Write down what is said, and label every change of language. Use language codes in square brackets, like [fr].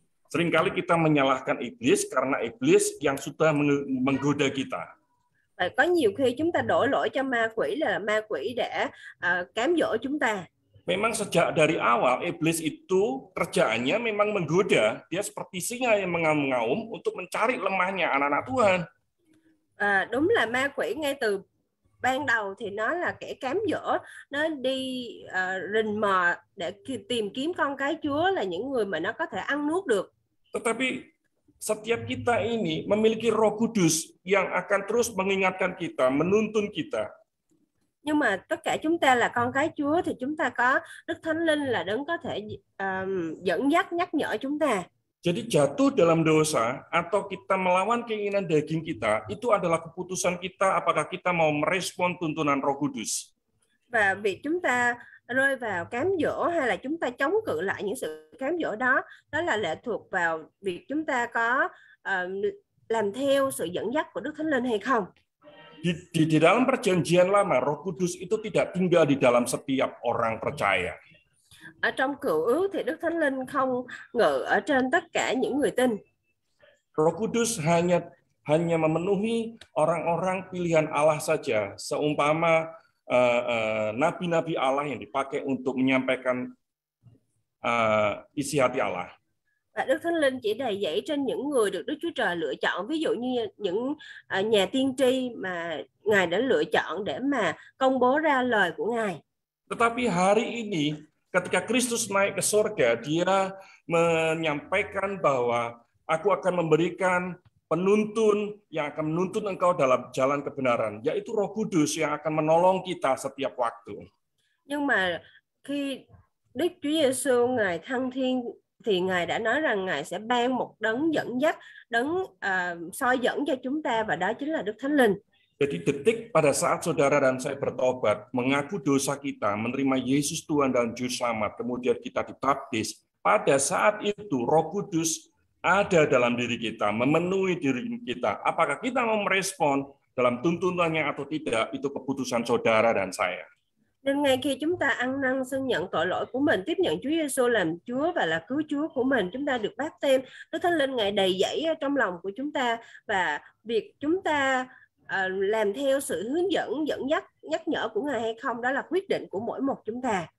[id] Seringkali kita menyalahkan iblis karena iblis yang sudah menggoda kita. [vi] Và có nhiều khi chúng ta đổ lỗi cho ma quỷ là ma quỷ đã cám dỗ chúng ta. [id] Memang sejak dari awal iblis itu kerjaannya memang menggoda, dia seperti singa yang mengaum-ngaum untuk mencari lemahnya anak-anak Tuhan. [vi] Đúng là ma quỷ ngay từ ban đầu thì nó là kẻ cám dỗ, nó đi rình mò để tìm kiếm con cái Chúa là những người mà nó có thể ăn nuốt được. [id] Tetapi setiap kita ini memiliki Roh Kudus yang akan terus mengingatkan kita, menuntun kita. [vi] Nhưng mà tất cả chúng ta là con cái Chúa thì chúng ta có Đức Thánh Linh là đấng có thể dẫn dắt, nhắc nhở chúng ta. [id] Jadi jatuh dalam dosa atau kita melawan keinginan daging kita itu adalah keputusan kita apakah kita mau merespon tuntunan Roh Kudus. [vi] Và việc chúng ta rơi vào cám dỗ hay là chúng ta chống cự lại những sự cám dỗ đó, đó là lệ thuộc vào việc chúng ta có làm theo sự dẫn dắt của Đức Thánh Linh hay không. [id] Di dalam perjanjian lama Roh Kudus itu tidak tinggal di dalam setiap orang percaya. [vi] Ở trong Cựu Ước thì Đức Thánh Linh không ngự ở trên tất cả những người tin. [id] Roh Kudus hanya memenuhi orang-orang pilihan Allah saja, seumpama nabi-nabi Allah yang dipakai untuk menyampaikan isi hati Allah. [vi] Và Đức Thánh Linh chỉ đầy dẫy trên những người được Đức Chúa Trời lựa chọn, ví dụ như những nhà tiên tri mà Ngài đã lựa chọn để mà công bố ra lời của Ngài. [id] Tetapi hari ini ketika Kristus naik ke surga, dia menyampaikan bahwa aku akan memberikan penuntun yang akan menuntun engkau dalam jalan kebenaran, yaitu Roh Kudus yang akan menolong kita setiap waktu. [vi] Nhưng mà khi Đức Chúa Giêsu Ngài thăng thiên thì Ngài đã nói rằng Ngài sẽ ban một đấng dẫn dắt, đấng soi dẫn cho chúng ta, và đó chính là Đức Thánh Linh. [id] Jadi detik pada saat saudara dan saya bertobat, mengaku dosa kita, menerima Yesus Tuhan dan Juru Selamat, kemudian kita dibaptis, pada saat itu Roh Kudus ada dalam diri kita, memenuhi diri kita. Apakah kita mau merespon dalam tuntunannya atau tidak, itu keputusan saudara dan saya. [vi] Nên ngay khi chúng ta ăn năn xưng nhận tội lỗi của mình, tiếp nhận Chúa Giêsu làm Chúa và là cứu Chúa của mình, chúng ta được báp têm, Đức Thánh Linh Ngài đầy dẫy trong lòng của chúng ta, và việc chúng ta làm theo sự hướng dẫn, dẫn dắt, nhắc nhở của Ngài hay không, đó là quyết định của mỗi một chúng ta.